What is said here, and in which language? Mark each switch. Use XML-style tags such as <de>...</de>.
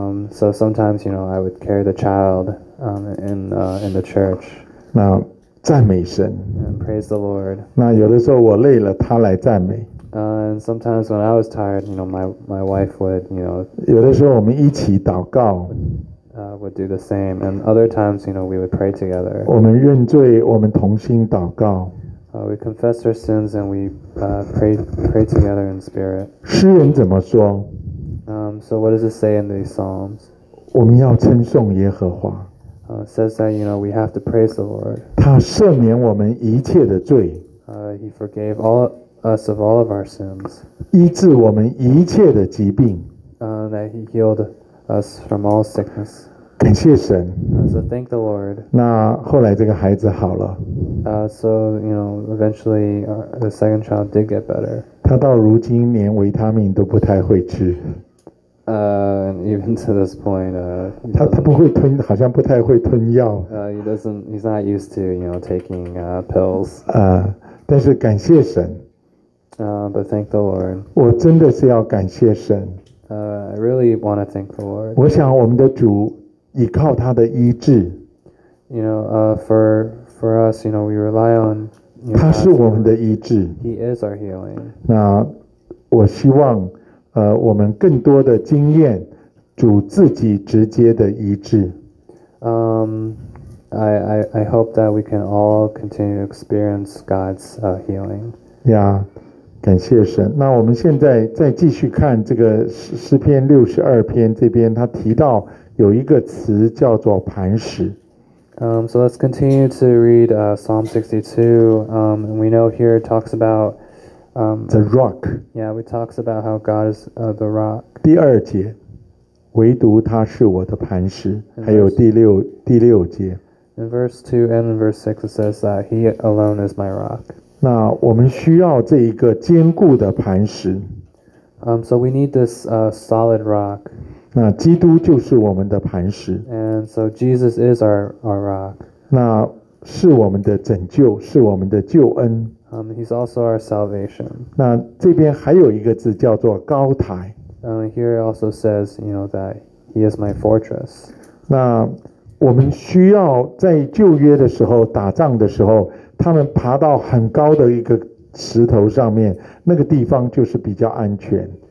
<en>So sometimes, you know, I would carry the child in the church.</en> <zh>那赞美神。</zh> <en>And praise the Lord.</en> <zh>那有的时候我累了，他来赞美。</zh> <en>And sometimes when I was tired, you know, my wife would, you know.</en> <zh>有的时候我们一起祷告。</zh> <en>Would do the same. And other times, you know, we would pray together.</en> <zh>我们认罪，我们同心祷告。</zh> <en>We confess our sins and we pray together in spirit.</en> <zh>诗人怎么说？</zh> <en>So what does it say in these Psalms?</en> <zh>我们要称颂耶和华。</zh> <en>It says that, you know, we have to praise the Lord.</en> <zh>他赦免我们一切的罪。</zh> <en>He forgave all us of all of our sins.</en> <zh>医治我们一切的疾病。</zh> <en>That he healed us from all sickness.</en> <zh>感谢神。</zh> <en>So thank the Lord.</en> <zh>那后来这个孩子好了。</zh> <en>So, you know, eventually the second child did get better.</en> <zh>他到如今连维他命都不太会吃。</zh> <en>Even to this point,</en> <zh>他不会吞，好像不太会吞药。</zh> <en>He's not used to, you know, taking pills.</en> <zh>但是感谢神。</zh> <en>But thank the Lord.</en> <zh>我真的是要感谢神。</zh> <en>I really want to thank the Lord.</en> <zh>我想我们的主依靠他的医治。</zh> <en>You know, for us, you know, we rely on.</en> <zh>他是我们的医治。</zh> <en>He is our healing.</en> <zh>那我希望。我们更多的经验主自己直接的医治。</zh> <en>I hope that we can all continue to experience God's healing.</en> <zh>Yeah, 感谢神。那我们现在再继续看这个诗篇六十二篇这边，他提到有一个词叫做磐石。</zh> <en>So let's continue to read Psalm 62. We know here it talks about. The rock. Yeah, we talks about how God is the rock.</en> <zh>第二节，唯独他是我的磐石。还有第六节。</zh> <en>In verse 2 and in verse 6, it says that He alone is my rock.</en> <zh>那我们需要这一个坚固的磐石。</zh> <en>So we need this solid rock.</en> <zh>那基督就是我们的磐石。</zh> <en>And so Jesus is our rock.</en> <zh>那是我们的拯救，是我们的救恩。</zh> <en>He's also our salvation.</en> <zh>那这边还有一个字叫做高台。</zh> <en>Here it also says, you know, that he is my fortress.</en> <zh>那我们需要在旧约的时候打仗的时候，他们爬到很高的一个石头上面，那个地方就是比较安全。</zh>